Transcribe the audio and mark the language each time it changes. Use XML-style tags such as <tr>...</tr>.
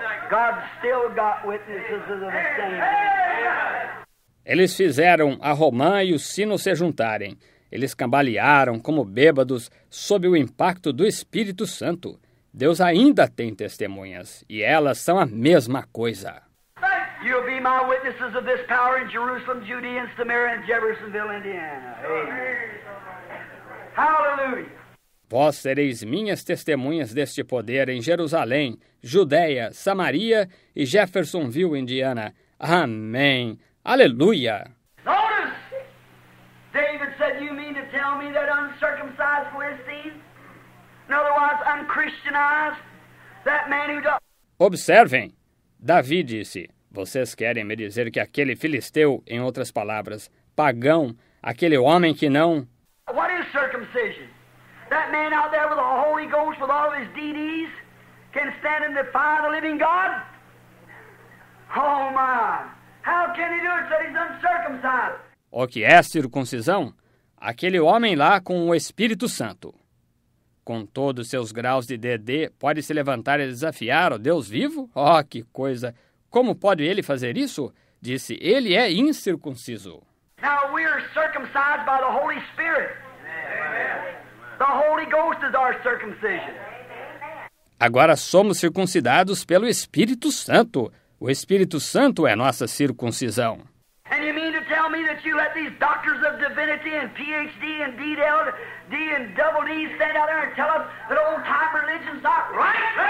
<en>God still got witnesses of the same.</en> <pt>Eles fizeram a romã e o sino se juntarem. Eles cambalearam como bêbados sob o impacto do Espírito Santo. Deus ainda tem testemunhas, e elas são a mesma coisa.</pt> <en>You'll be my witnesses of this power in Jerusalem, Judea, and Samaria, and Jeffersonville, Indiana. Hallelujah!</en> <pt>Vós sereis minhas testemunhas deste poder em Jerusalém, Judeia, Samaria e Jeffersonville, Indiana. Amém! Aleluia!</pt> <en>Notice! David said, that you mean to tell me that uncircumcised Philistines, in other words, unchristianized, that man who does...</en> <pt>Observem, Davi disse, vocês querem me dizer que aquele filisteu, em outras palavras, pagão, aquele homem que não...</pt> <en>What is circumcision? That man out there with the Holy Ghost, with all of his DDs, can stand and defy the living God? Oh my, how can he do it that he's uncircumcised?</en> <pt>O que é circuncisão? Aquele homem lá com o Espírito Santo. Com todos seus graus de DD, pode se levantar e desafiar o Deus vivo? Oh, que coisa! Como pode ele fazer isso? Disse, ele é incircunciso.</pt> <en>Now we are circumcised by the Holy Spirit. Amen. The Holy Ghost is our circumcision.</en> <pt>Agora somos circuncidados pelo Espírito Santo. O Espírito Santo é nossa circuncisão.</pt> <en>And you mean to tell me that you let these doctors of divinity and PhD and DD and double D stand out there and tell us that old time religion's not right?</en>